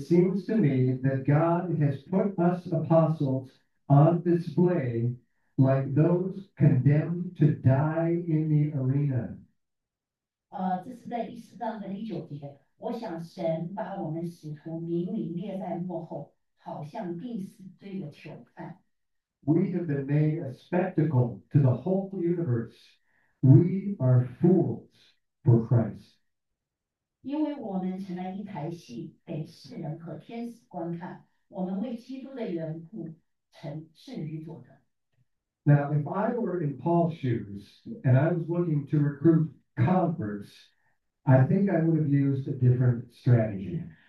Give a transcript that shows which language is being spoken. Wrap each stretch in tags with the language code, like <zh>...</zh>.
<en>seems to me that God has put us apostles on display like those condemned to die in the arena.</en> <zh>这是在第四章的第九节。我想神把我们使徒明明列在幕后，好像定死罪的囚犯。</zh> <en>We have been made a spectacle to the whole universe. We are fools for Christ.</en> <zh>因为我们成了一台戏，被世人和天使观看。我们为基督的缘故，成是愚拙的。</zh> <en>Now, if I were in Paul's shoes and I was looking to recruit converts, I think I would have used a different strategy.</en>